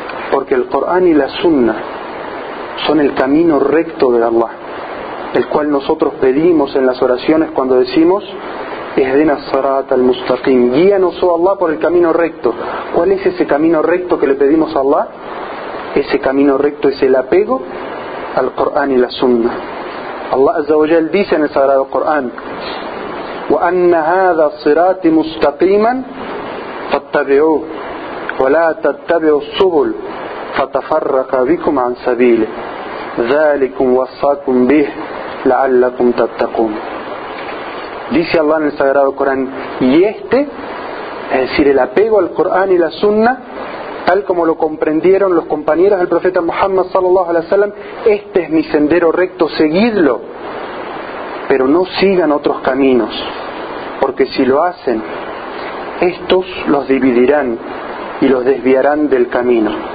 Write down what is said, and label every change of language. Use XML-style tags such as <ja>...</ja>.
<es>Porque el Corán y la Sunna son el camino recto de Allah, el cual nosotros pedimos en las oraciones cuando decimos:</es> <ar>اهدنا الصراط المستقيم.</ar> <es>Guíanos, oh Allah, por el camino recto. ¿Cuál es ese camino recto que le pedimos a Allah? Ese camino recto es el apego al Corán y la Sunna. Allah Azza wa Jal dice en el Sagrado Corán:</es> <ar>وَأَنَّ هَذَا صِرَاطِ مُسْتَقِيمًا فَاتَّبِعُوهُ وَلَا تَتَّبِعُوا السُّبُلَ فَتَفَرَّقَ بِكُمْ عَن سَبِيلِهِ ذَلِكُمْ وَصَّاكُمْ بِهِ لَعَلَّكُمْ تَتَّقُونَ.</ar> <es>Dice Allah en el Sagrado Corán: y este, es decir, el apego al Corán y la Sunna, tal como lo comprendieron los compañeros del profeta Muhammad sallallahu alaihi wasallam, este es mi sendero recto, seguidlo. Pero no sigan otros caminos, porque si lo hacen, estos los dividirán y los desviarán del camino.</es>